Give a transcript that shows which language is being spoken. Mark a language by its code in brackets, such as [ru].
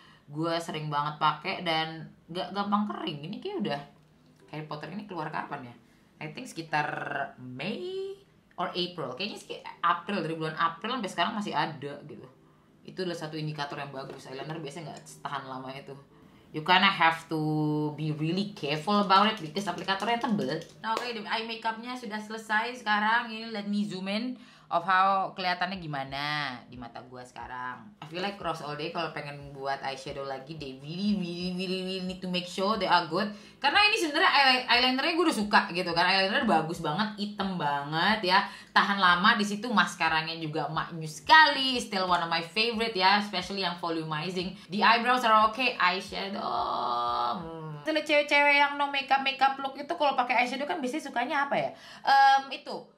[id] Gue sering banget pakai dan gak gampang kering. Ini kayak udah Harry Potter ini keluar kapan ya? [en] I think [id] sekitar [en] May or April. [id] Kayaknya sekitar April, dari bulan April sampai sekarang masih ada gitu. Itu adalah satu indikator yang bagus. Eyeliner biasanya gak tahan lama itu. [en] You kinda have to be really careful about it because [id] aplikatornya tebel. Nah, oke, okay, eye makeupnya sudah selesai. Sekarang ini [en] let me zoom in of how [id] kelihatannya gimana di mata gua sekarang. [en] I feel like Rose All Day [id] kalau pengen buat eyeshadow lagi, [en] they really need to make sure they are good. [id] Karena ini sebenarnya eyelinernya gua udah suka gitu kan. Eyeliner bagus banget, hitam banget ya. Tahan lama, di situ maskaranya juga maknyus sekali. [en] Still one of my favorite ya, especially yang volumizing. The eyebrows are okay, eyeshadow. [id] Cewek-cewek yang no makeup look itu kalau pakai eyeshadow kan biasanya sukanya apa ya? Itu